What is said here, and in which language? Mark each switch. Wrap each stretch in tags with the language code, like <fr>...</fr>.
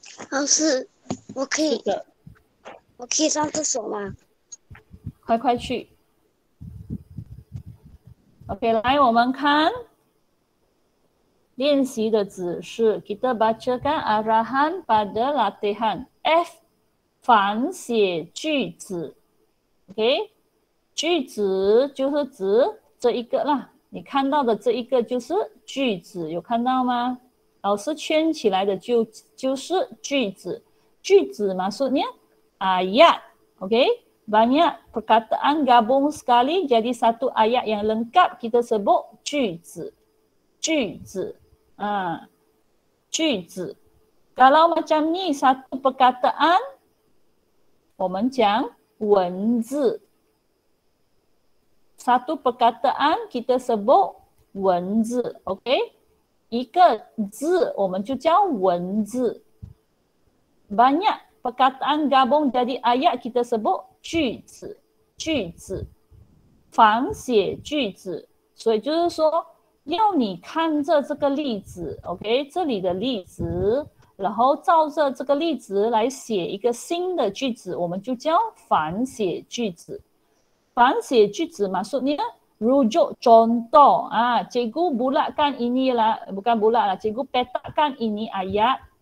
<zh>老师，我可以，我可以上厕所吗？快快去。 OK， 来我们看练习的指示。</zh> <ms>Kita bacakan arahan pada latihan F， 反写句子。</ms> <zh>OK， 句子就是指这一个啦，你看到的这一个就是句子，有看到吗？老师圈起来的就是句子，句子</zh> <ms>maksudnya ayat。 OK。 Banyak perkataan gabung sekali jadi satu ayat yang lengkap kita sebut 句子，句子，啊，句子。 Kalau macam ni satu perkataan，</ms> <zh>我们讲文字。</zh> <ms>Satu perkataan kita sebut 文字 ，OK？</ms> <zh>一个字我们就叫文字。</zh> <ms>Banyak perkataan gabung jadi ayat kita sebut。</ms> <zh>句子，句子，反写句子，所以就是说要你看着这个例子 ，OK， 这里的例子，然后照着这个例子来写一个新的句子，我们就叫反写句子。反写句子嘛，说你</zh> <ms>rujuk contoh 啊 ，cikgu bulatkan ini lah， bukan bulat lah， cikgu petakkan ini ayat。</ms>